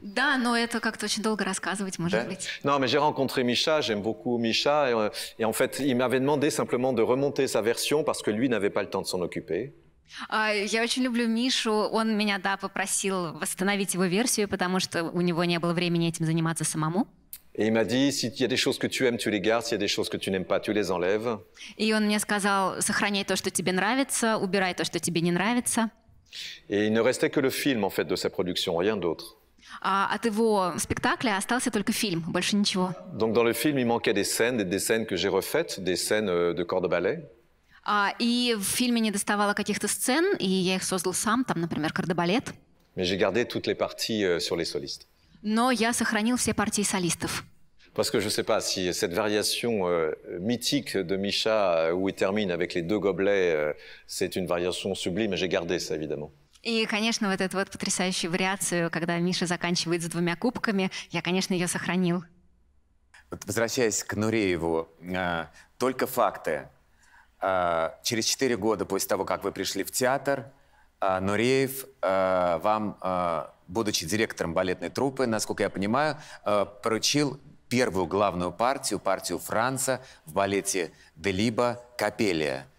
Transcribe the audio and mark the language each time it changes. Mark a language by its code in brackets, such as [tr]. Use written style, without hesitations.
[ru] Да, но это как-то очень долго рассказывать, может быть. [fr] Non, mais j'ai rencontré Misha, j'aime beaucoup Misha. Et en fait, il m'avait demandé simplement de remonter sa version parce que lui n'avait pas le temps de s'en occuper. [ru] Я очень люблю Мишу. Он меня, да, попросил восстановить его версию, потому что у него не было времени этим заниматься самому. [fr] Et il m'a dit, s'il y a des choses que tu aimes, tu les gardes, s'il y a des choses que tu n'aimes pas, tu les enlèves. [ru] И он мне сказал, сохраняй то, что тебе нравится, убирай то, что тебе не нравится. [fr] Et il ne restait que le film, en fait, de sa production, rien d'autre. [ru] От его спектакля остался только фильм, больше ничего. [fr] Donc dans le film, il manquait des scènes que j'ai refaites, des scènes de corps de ballet. [ru] И в фильме не доставало каких-то сцен, и я их создал сам, там, например, кордебалет. [fr] Mais j'ai gardé toutes les parties sur les solistes. [ru] Но я сохранил все партии солистов. [fr] Parce que je ne sais pas si cette variation mythique de Misha, où il termine avec les deux gobelets, c'est une variation sublime, j'ai gardé ça, évidemment. Et, [ru] конечно, вот эту вот потрясающую вариацию, когда Миша заканчивает с двумя кубками, я, конечно, ее сохранил. Возвращаясь к Нурееву, только факты. Через 4 года после того, как вы пришли в театр, Нуреев вам, будучи директором балетной труппы, насколько я понимаю, поручил первую главную партию, партию Франца в балете «Делиба» «Капелия».